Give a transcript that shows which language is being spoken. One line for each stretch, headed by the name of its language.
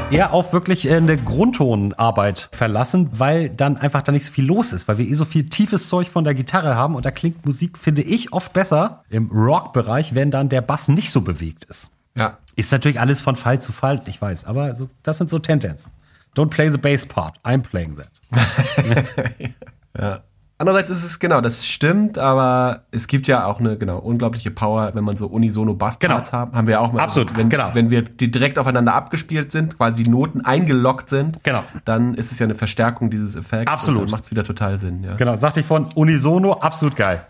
German: auf wirklich eine Grundtonarbeit verlassen, weil dann einfach da nicht so viel los ist, weil wir eh so viel tiefes Zeug von der Gitarre haben und da klingt Musik, finde ich, oft besser im Rock-Bereich, wenn dann der Bass nicht so bewegt ist. Ja. Ist natürlich alles von Fall zu Fall, ich weiß, aber so, das sind so Tendenzen.
English: Don't play the bass part, I'm playing that.
German: Andererseits ist es, genau, das stimmt, aber es gibt ja auch eine, genau, unglaubliche Power, wenn man so unisono Bassparts haben wir auch mal. Absolut, wenn, wenn wir direkt aufeinander abgespielt sind, quasi die Noten eingeloggt sind, dann ist es ja eine Verstärkung dieses Effekts. Absolut. Und dann macht es wieder total Sinn, ja. Genau, sagte ich vorhin, unisono, absolut geil.